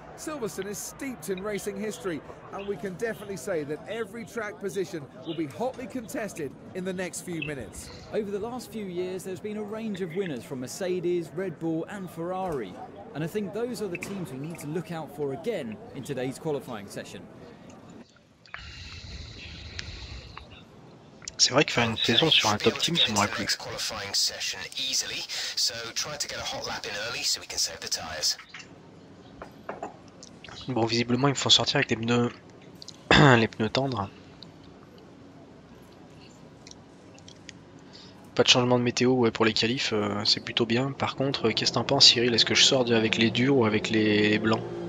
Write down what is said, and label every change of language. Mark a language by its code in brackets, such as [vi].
[en] Silverstone is steeped in racing history, and we can definitely say that every track position will be hotly contested in the next few minutes. Over the last few years, there's been a range of winners from Mercedes, Red Bull and Ferrari. And I think those are the teams we need to look out for again in today's qualifying session. [fr] C'est vrai que faire une saison sur un top team, c'est moins plus. [en] Qualifying session easily, so try to get a hot lap in early so we can save the tires. [fr] Bon, visiblement, ils me font sortir avec des pneus, les pneus tendres. Pas de changement de météo, ouais, pour les qualifs, c'est plutôt bien. Par contre, qu'est-ce que t'en penses, Cyril? Est-ce que je sors avec les durs ou avec les blancs?